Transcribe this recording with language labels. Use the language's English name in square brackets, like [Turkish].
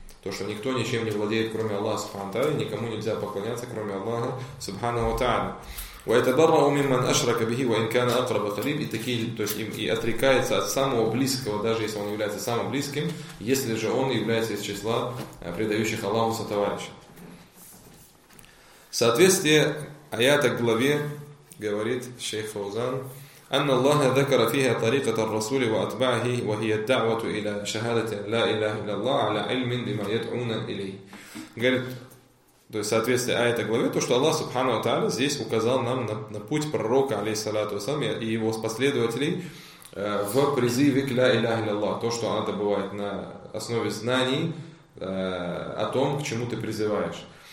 [Russian] То, что никто ничем не владеет, кроме Аллаха Субханаху ва Тааля, никому нельзя поклоняться, кроме Аллаха Субханаху ва Тааля. [Arabic] وَيَتَبَرَّأُ مِمَّنْ أَشْرَكَ بِهِ وَإِنْ كَانَ أَقْرَبَ قَرِيبًا. [Russian] И такие, то есть им и отрекается от самого близкого, даже если он является самым близким, если же он является из числа предающих Аллаху сотоварища. Соответствие аята к главе говорит шейх Фаузан, [Arabic] أن الله ذكر فيها طريقة الرسول وأتباعه وهي الدعوة إلى شهادة لا إله إلا الله على علم بما يدعون إليه. [Russian] Говорит, то есть в соответствии аята главе, то, что Аллах Субхану ва Тааля здесь указал нам на путь пророка, алейхиссалату вассалам, и его последователей в призыве к ля иляха илляллах, то, что надо бывает на основе знаний о том, к чему ты призываешь.